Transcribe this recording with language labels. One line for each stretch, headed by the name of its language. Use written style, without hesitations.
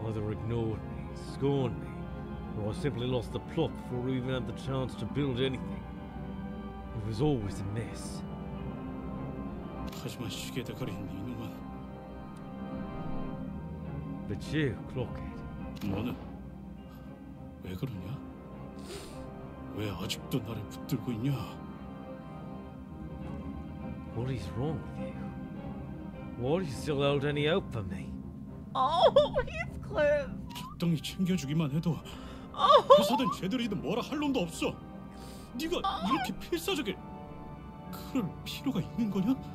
English: Ignored me, scorned me, or I simply lost the plot before we even had the chance to build anything. It was always a mess.
Korean: 하지만 시계대가리 이놈은.
English: But you, Clockhead.
Korean: 너는 왜 그러냐? 왜 아직도 나를 붙들고 있냐?
English: What is wrong with you? Why do you still hold any hope for me? Oh, Heathcliff!
Korean: 적당히 챙겨주기만 해도 회사든 제대로든 뭐라 할 놈도 없어. 네가 이렇게 필사적일 그럴 필요가 있는 거냐?